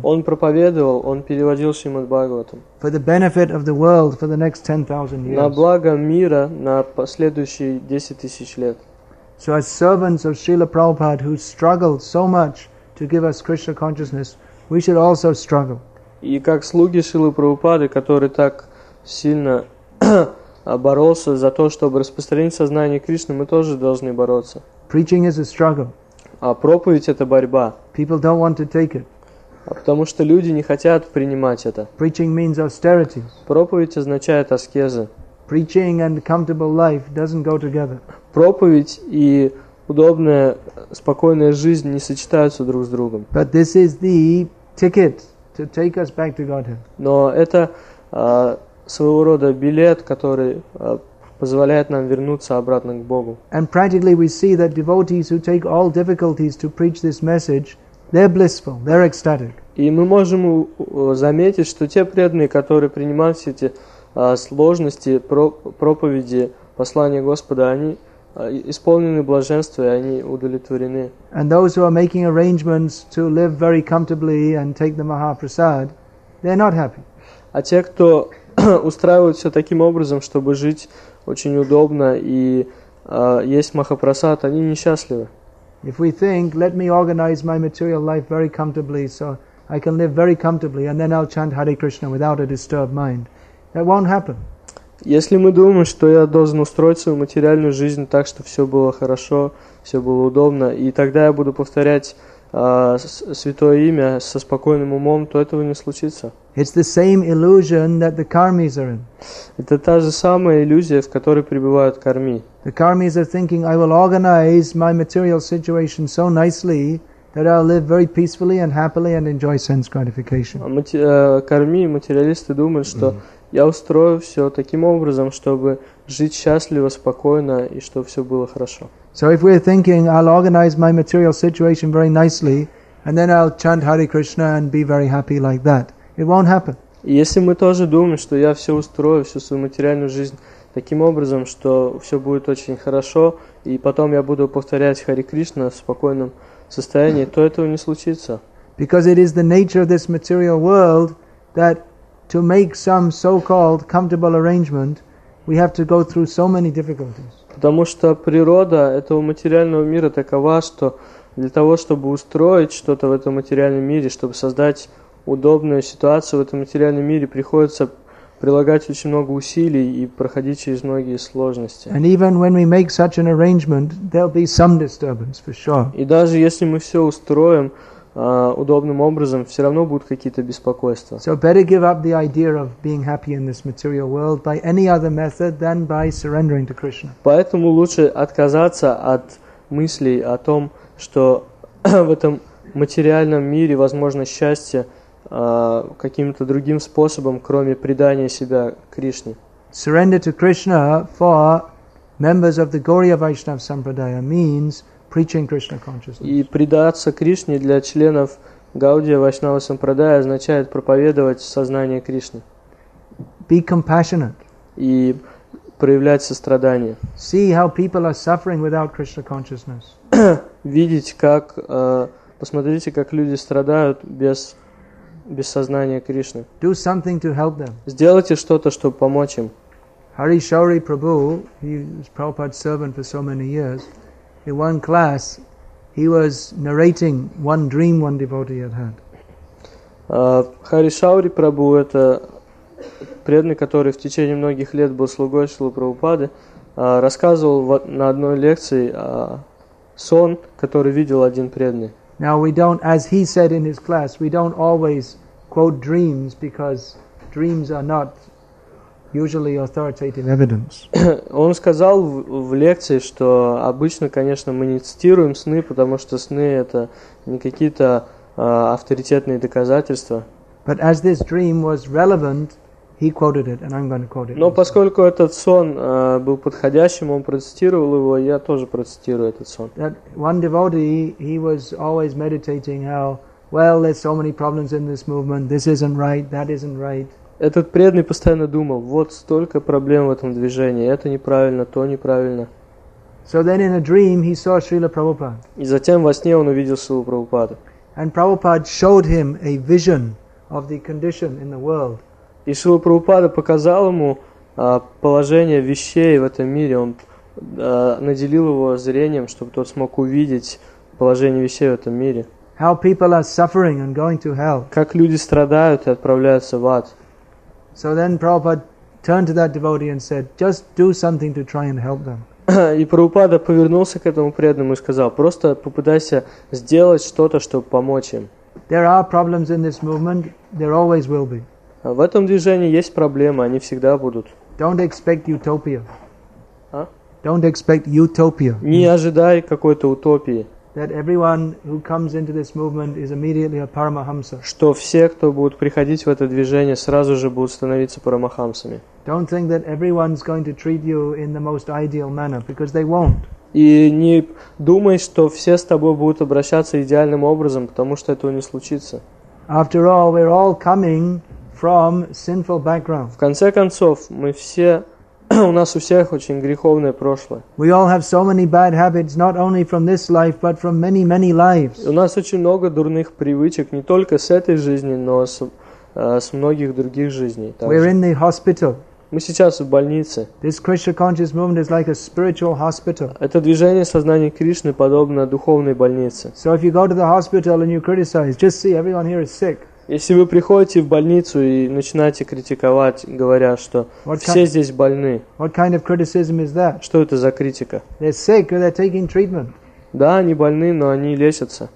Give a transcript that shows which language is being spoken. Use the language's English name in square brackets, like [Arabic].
[Russian] Он проповедовал, он переводил Шримад Бхагаватам. [English] For the benefit of the world for the next 10,000 years. [Russian] На благо мира на последующие 10 тысяч лет. [English] So as servants of Srila Prabhupada who struggled so much to give us Krishna consciousness, we should also struggle. [Russian] И как слуги Шрилы Прабхупады, который так сильно боролся за то, чтобы распространить сознание Кришны, мы тоже должны бороться. [English] Preaching is a struggle. [Russian] А проповедь – это борьба. [English] People don't want to take it. [Russian] А потому что люди не хотят принимать это. [English] Preaching means austerity. [Russian] Проповедь означает аскезы. [English] Preaching and comfortable life doesn't go together. [Russian] Проповедь и удобная, спокойная жизнь не сочетаются друг с другом. [English] But this is the ticket to take us back to Godhead. [Russian] Но это своего рода билет, который позволяет нам вернуться обратно к Богу. [English] And practically we see that devotees who take all difficulties to preach this message, they're blissful, they're ecstatic. [Russian] И мы можем заметить, что те преданные, которые принимают все эти сложности проповеди послания Господа, они исполнены блаженства и они удовлетворены. [English] And those who are making arrangements to live very comfortably and take the Mahaprasad, they're not happy. [Russian] А те, кто устраивают все таким образом, чтобы жить очень удобно и есть Махапрасад, они несчастливы. [English] If we think, let me organize my material life very comfortably, so I can live very comfortably, and then I'll chant Hare Krishna without a disturbed mind, that won't happen. [Russian] Если мы думаем, что я должен устроить свою материальную жизнь так, чтобы все было хорошо, все было удобно, и тогда я буду повторять святое имя со спокойным умом, то этого не случится. [English] It's the same illusion that the karmis are in. [Russian] Это та же самая иллюзия, в которой пребывают карми. [English] The karmis are thinking, I will organize my material situation so nicely that I'll live very peacefully and happily and enjoy sense gratification. [Russian] Карми, материалисты думают, что я устрою все таким образом, чтобы жить счастливо, спокойно и чтобы все было хорошо. [English] So if we're thinking, I'll organize my material situation very nicely, and then I'll chant Hare Krishna and be very happy like that, it won't happen. [Russian] Если мы тоже думаем, что я все устрою, всю свою материальную жизнь таким образом, что все будет очень хорошо, и потом я буду повторять Hare Krishna в спокойном состоянии, то этого не случится. [English] Because it is the nature of this material world that to make some so-called comfortable arrangement, we have to go through so many difficulties. [Russian] Потому что природа этого материального мира такова, что для того, чтобы устроить что-то в этом материальном мире, чтобы создать удобную ситуацию в этом материальном мире, приходится прилагать очень много усилий и проходить через многие сложности. [English] And even when we make such an arrangement, there'll be some disturbance for sure. [Russian] И даже если мы все устроим удобным образом, все равно будут какие-то беспокойства. [English] So better give up the idea of being happy in this material world by any other method than by surrendering to Krishna. [Russian] Поэтому лучше отказаться от мыслей о том, что в этом материальном мире возможно счастье каким-то другим способом, кроме предания себя Кришне. [English] Surrender to Krishna for members of the Gaurīya Vaiṣṇava Sampradaya means preaching Krishna consciousness. [Russian] И предаться Кришне для членов Гаудия Вайшнава Сампрадая означает проповедовать сознание Кришны. [English] Be compassionate. [Russian] И проявлять сострадание. [English] See how people are suffering without Krishna consciousness. [Russian] Видеть, как посмотрите, как люди страдают без сознания Кришны. [English] Do something to help them. [Russian] Сделайте что-то, чтобы помочь им. [English] Hari Shauri Prabhu, he was Prabhupada's servant for so many years. In one class, he was narrating one dream one devotee had had. [Russian] Харисаури Прабу – это преданный, который в течение многих лет был слугой Шрилы Прабхупады, рассказывал на одной лекции сон, который видел один преданный. [English] Now we don't, as he said in his class, we don't always quote dreams because dreams are not usually authoritative evidence. [Russian] Он сказал в лекции, что обычно, конечно, мы не цитируем сны, потому что сны это не какие-то авторитетные доказательства. [English] But as this dream was relevant, he quoted it, and I'm going to quote it. [Russian] Но поскольку этот сон был подходящим, он процитировал его, я тоже процитирую этот сон. [English] That one devotee, he was always meditating how, well, there's so many problems in this movement, this isn't right, that isn't right. [Russian] Этот преданный постоянно думал, вот столько проблем в этом движении, это неправильно, то неправильно. [English] So then in a dream, he saw Srila Prabhupada. [Russian] И затем во сне он увидел Шрилу Прабхупаду. [English] And Prabhupada showed him a vision of the condition in the world. [Russian] И Шрила Прабхупада показал ему положение вещей в этом мире. Он наделил его зрением, чтобы тот смог увидеть положение вещей в этом мире. [English] How people are suffering and going to hell. [Russian] Как люди страдают и отправляются в ад. [English] So then Prabhupada turned to that devotee and said, just do something to try and help them. [Russian] И Прабхупада повернулся к этому преданному и сказал, просто попытайся сделать что-то, чтобы помочь им. [English] There are problems in this movement. There always will be. [Russian] В этом движении есть проблемы, они всегда будут. [English] Don't expect utopia. А? Don't expect utopia. [Russian] Не ожидай какой-то утопии. [English] That everyone who comes into this movement is immediately a paramahamsa. [Russian] Что все, кто будут приходить в это движение, сразу же будут становиться парамахамсами. [English] Don't think that everyone's going to treat you in the most ideal manner, because they won't. [Russian] И не думай, что все с тобой будут обращаться идеальным образом, потому что этого не случится. [English] After all, we're all coming from sinful background. [Russian] В конце концов, мы все у нас у всех очень греховное прошлое. [English] We all have so many bad habits, not only from this life, but from many, many lives. [Russian] У нас очень много дурных привычек, не только с этой жизни, но с многих других жизней. Также. [English] We're in the hospital. [Russian] Мы сейчас в больнице. [English] This Krishna conscious movement is like a spiritual hospital. [Russian] Это движение сознания Кришны подобно духовной больнице. [English] So if you go to the hospital and you criticize, just see everyone here is sick. [Russian] Если вы приходите в больницу и начинаете критиковать, говоря, что все здесь больны, [English] what kind of criticism is that? [Russian] Что это за критика? [English] They're sick or they're taking treatment. [Russian] Да, они больны, но они лечатся.